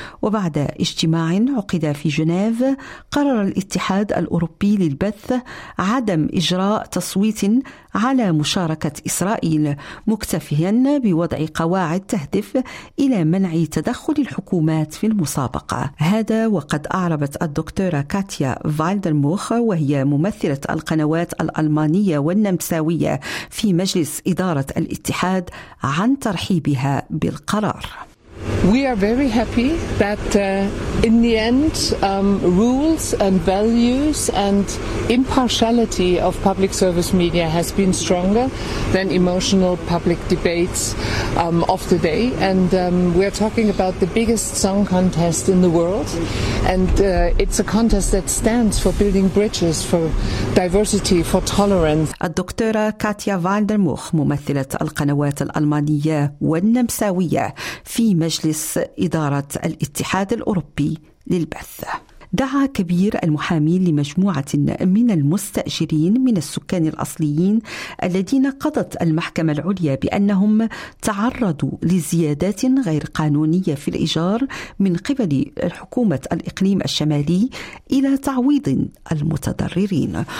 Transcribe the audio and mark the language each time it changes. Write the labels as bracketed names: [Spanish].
[Arabic] وبعد اجتماع عقد في جنيف، قرر الاتحاد الأوروبي للبث عدم إجراء تصويت على مشاركة إسرائيل، مكتفيا بوضع قواعد تهدف إلى منع تدخل الحكومات في المسابقة. هذا وقد أعربت الدكتورة كاتيا فالدرموخ، وهي ممثلة القنوات الألمانية والنمساوية في مجلس إدارة الاتحاد، عن ترحيبها بالقرار. [English] We are very happy that in the end rules and values and impartiality of public service media has been stronger than emotional public debates of the day. And we are talking about the biggest song contest in the world. And it's a contest that stands for building bridges, for diversity, for tolerance. [Arabic] الدكتورة كاتيا فالدرموخ، ممثلة القنوات الألمانية والنمساوية في مجلس إدارة الاتحاد الأوروبي للبث. دعا كبير المحامين لمجموعة من المستأجرين من السكان الأصليين الذين قضت المحكمة العليا بأنهم تعرضوا لزيادات غير قانونية في الإيجار من قبل حكومة الإقليم الشمالي إلى تعويض المتضررين.